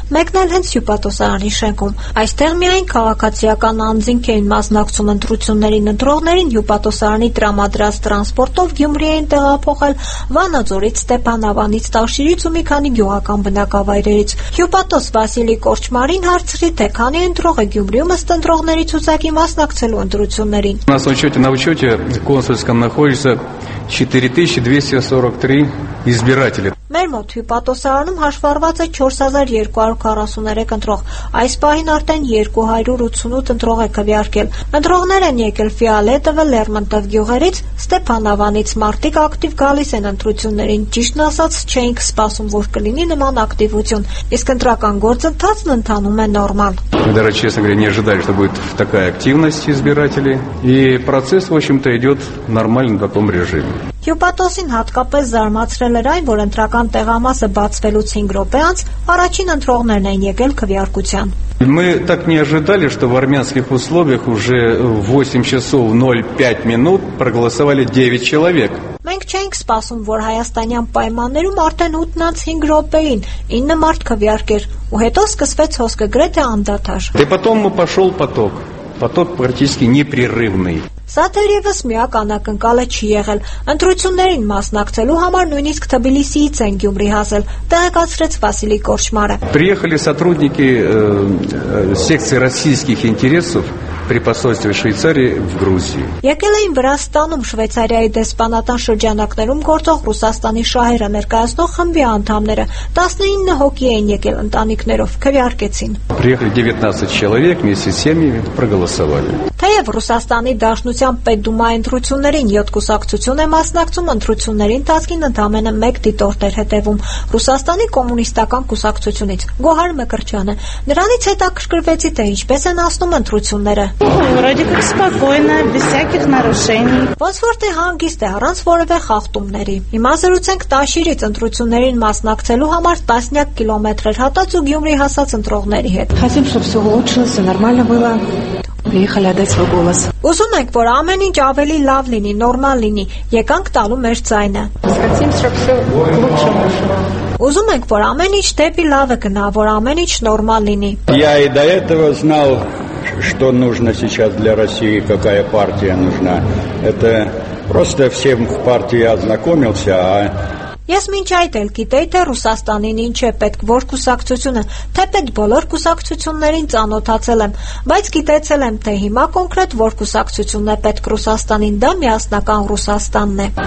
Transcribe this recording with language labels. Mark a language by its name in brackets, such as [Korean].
[Armenian] 1-ն էլ հենց հյուպատոսարանի շենքում։ Այստեղ միայն քաղաքացիական անձինք էին մասնակցում ընտրություններին, ընտրողներին հյուպատոսարանի տրամադրած տրանսպորտով Գյումրի էին տեղափոխել Վանաձորից, Ստեփանավանից, Տաշիրից ու մի քանի գյուղական բնակավայրերից։ Հյուպատոս Վասիլի Կորչմարին հարցրի, թե քանի ընտրող է Գյումրիում ըստ ընտրողների ցուցակի մասնակցելու ընտրություններին։ [Russian] На учёте, на учёте консульском находится 4243 избирателя. [Armenian] Մեր մոտ հյուպատոսարանում հաշվառված է 4243 ընտրող, այս պահին արդեն 288 ընտրող է քվեարկել։ Ընտրողներ են եկել Ֆիալետովը, Լերմոնտով գյուղերից, Ստեփանավանից, մարդիկ ակտիվ գալիս են ընտրություններին, ճիշտն ասած չենք սպասում, որ կլինի նման ակտիվություն, իսկ ընտրական գործընթացն ընթանում է նորմալ։ [Russian] Даже честно говоря, не ожидали, что будет такая активность избирателей, и процесс, в общем-то, идёт нормально в таком режиме. [Armenian] Հյուպատոսին հատկապես զարմացրել էր այն, որ ընտրական տեղամասը բացվելուց 5 րոպե անց առաջին ընտրողներն են եկել քվեարկության։ [Russian] Мы так не ожидали, что в армянских условиях уже в 8:05 проголосовали 9 человек. [Armenian] Մենք չենք սպասում, որ հայաստանյան պայմաններում արդեն 8:00 րոպեին 9 մարդ քվեարկեր, ու հետո սկսվեց հոսքը գրեթե անդադար։ [Russian] И потом мы пошёл поток. Поток практически непрерывный. [Armenian] Սա թերևս միակ անակնկալը չի եղել։ Ընտրություններին մասնակցելու համար նույնիսկ Թբիլիսիից են Գյումրի հասել, տեղեկացրեց Վասիլի Կորչմարը։ [Russian] Приехали сотрудники секции российских интересов при посольстве Швейцарии в Грузии. [Armenian] Եկել էին Վրաստանում Շվեյցարիայի դեսպանատան շրջանակներում գործող Ռուսաստանի շահերը ներկայացնող խմբի անդամները, 19 հոգի էին եկել ընտանիքներով, քվեարկեցին։ [Russian] Приехали 19 человек вместе с семьями, проголосовали. [Armenian] Թեև Ռուսաստանի Դաշնության Պետդումայի ընտրություններին 7 կուսակցություն է մասնակցում, ընտրությունների ընթացքին ընդամենը 1 դիտորդ էր հետևում Ռուսաստանի կոմունիստական կուսակցությունից, Գոհար Մկրճյանը։ Նրանից հետաքրքրվեցի, թե ինչպես են անցնում ընտրությունները։ [Russian] Вроде как спокойно, без всяких нарушений. [Armenian] Փոսորտի հանգիստ է, առանց որևէ խախտումների։ Հիմա զրուցենք Տաշիրից ընտրություններին մասնակցելու համար 10 կիլոմետրեր հատած ու Գյումրի հասած ընտրողների հետ։ [Russian] Хотим, чтобы всё улучшилось, всё нормально было. Приехали отдать свой голос. [Armenian] Ուզում ենք, որ ամեն ինչ ավելի լավ լինի, նորմալ լինի, եկանք տալու մեր ձայնը։ Ուզում ենք, որ ամեն ինչ դեպի լավը գնա, որ ամեն ինչ նորմալ լինի։ [Russian] Я и до этого знал, что нужно сейчас для России, какая партия нужна. Это просто всем в партии ознакомился, а [Armenian] Ես մինչ այդ էլ գիտեի, թե Ռուսաստանին ինչ է պետք, որ կուսակցությունը, թե պետ բոլոր կուսակցություններին ծանոթացել եմ, բայց գիտեցել եմ, թե հիմա կոնկրետ որ կուսակցությունն է պետք Ռուսաստանին, դա միասնական Ռուսաստանն է։